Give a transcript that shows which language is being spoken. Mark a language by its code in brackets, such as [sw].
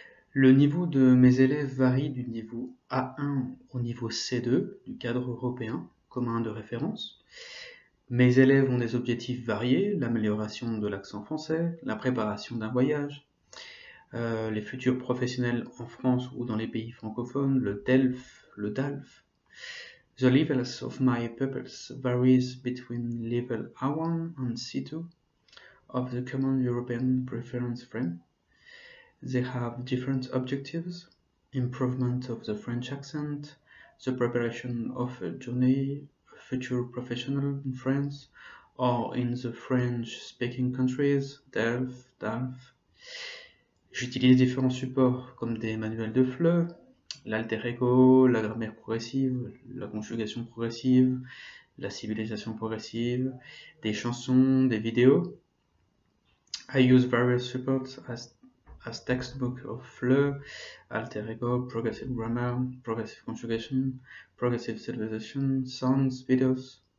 [fr] Le niveau de mes élèves varie du niveau A1 au niveau C2 du cadre européen commun de référence. Mes élèves ont des objectifs variés, l'amélioration de l'accent français, la préparation d'un voyage, les futurs professionnels en France ou dans les pays francophones, le TELF, le DALF. [en] The levels of my pupils varies between level A1 and C2 of the Common European Reference Frame. They have different objectives: improvement of the French accent, the preparation of a journey, a future professional in France or in the French-speaking countries, DELF, DALF. [fr] J'utilise différents supports comme des manuels de FLE, l'alter ego, la grammaire progressive, la conjugaison progressive, la civilisation progressive, des chansons, des vidéos. [en] I use various supports as textbook of FLE, alter ego, progressive grammar, progressive conjugation, progressive civilization, sounds, videos.